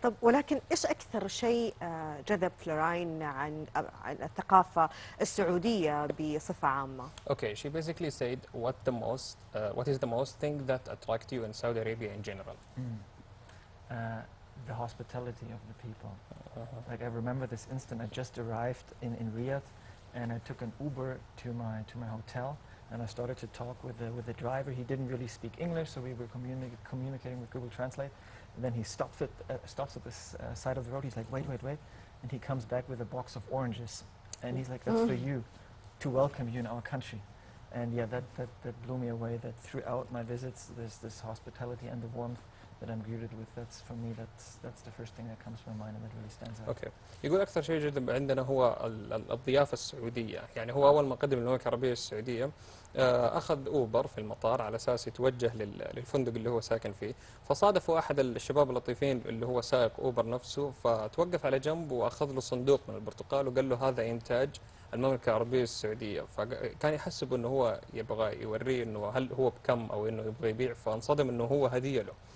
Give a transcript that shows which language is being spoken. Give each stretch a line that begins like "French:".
Arabic: طب ولكن إيش أكثر شيء جذب فلوراين عن الثقافة السعودية بصفة عامة؟
English: Okay, she basically said what is the most thing that attracted you in Saudi Arabia in general? The hospitality of the people. Like I remember this instant, I just arrived in Riyadh and I took an Uber to my hotel. And I started to talk with the driver. He didn't really speak English, so we were communicating with Google Translate. And then he stops at the side of the road. He's like, wait. And he comes back with a box of oranges. And he's like, that's for you, to welcome you in our country. And yeah, that blew me away, that throughout my visits, there's this hospitality and the warmth that I'm greeted with. That's for me, that's the first thing that comes to my mind and that really stands out. Okay.
Arabic: يقول أكثر شيء جذب عندنا هو الضيافة السعودية. يعني هو أول ما قدم المملكة العربية السعودية أخذ أوبر في المطار على أساس يتوجه للفندق اللي هو ساكن فيه، فصادف أحد الشباب اللطيفين اللي هو سائق أوبر نفسه، فتوقف على جنب وأخذ له صندوق من البرتقال وقال له هذا إنتاج المملكة العربية السعودية، فكان يحسب أنه هو يبغى يوريه أنه هل هو بكم أو أنه يبغى يبيع، فانصدم أنه هو هدية له.